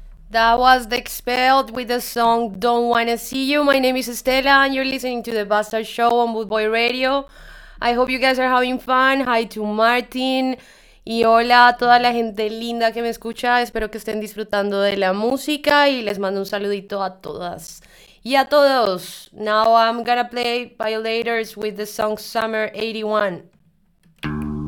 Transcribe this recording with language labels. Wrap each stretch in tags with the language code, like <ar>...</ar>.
<en>That was The Expelled with the song Don't Wanna See You. My name is Estela and you're listening to The Bastard Show on Boot Boy Radio. I hope you guys are having fun. Hi to Martin.</en> <es>Y hola a toda la gente linda que me escucha. Espero que estén disfrutando de la música y les mando un saludito a todas y a todos.</es> <en>Now I'm gonna play Violators with the song Summer 81.</en>